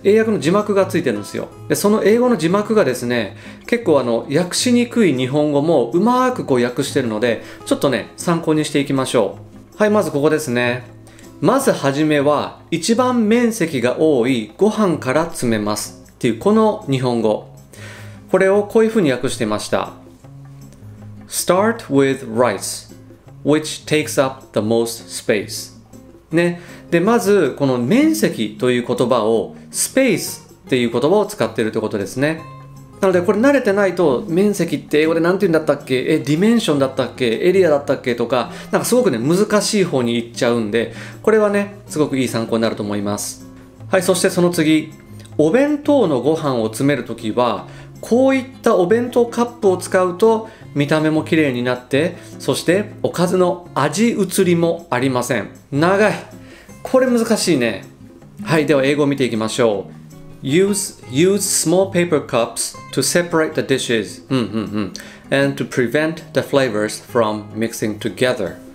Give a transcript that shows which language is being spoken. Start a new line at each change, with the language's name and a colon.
Japanese: 英訳の字幕がついてるんですよ。で、その英語の字幕がですね、結構訳しにくい日本語もうまーくこう訳してるので、ちょっとね、参考にしていきましょう。はい、まずここですね。まずはじめは一番面積が多いご飯から詰めますっていう、この日本語、これをこういうふうに訳していました。
English: Start with rice, which takes up the most space ね。
Japanese: で、まずこの面積という言葉を space っていう言葉を使っているということですね。なので、これ慣れてないと、面積って英語で何て言うんだったっけ、ディメンションだったっけ、エリアだったっけとか、なんかすごくね、難しい方に行っちゃうんで、これはね、すごくいい参考になると思います。はい、そしてその次、お弁当のご飯を詰めるときは、こういったお弁当カップを使うと、見た目も綺麗になって、そしておかずの味移りもありません。長い。これ難しいね。はい、では英語を見ていきましょう。
English: Use small paper cups to separate the dishes and to prevent the flavors from mixing together.